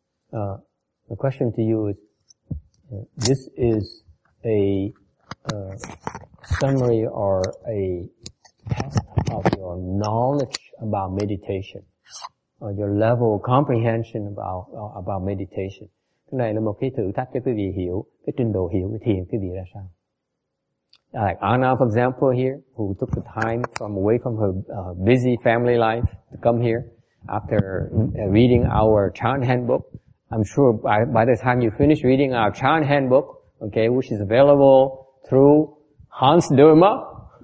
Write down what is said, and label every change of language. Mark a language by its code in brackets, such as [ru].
[en] The question to you is, this is a summary or a test of your knowledge about meditation, or your level of comprehension about meditation. [vi] Cái này là một cái thử thách cho quý vị hiểu cái trình độ hiểu cái thiền quý vị ra sao. [en] Like Anna, for example, here, who took the time from away from her busy family life to come here. after reading our chant handbook. I'm sure by the time you finish reading our chant handbook, okay, which is available through Hans Dürmer.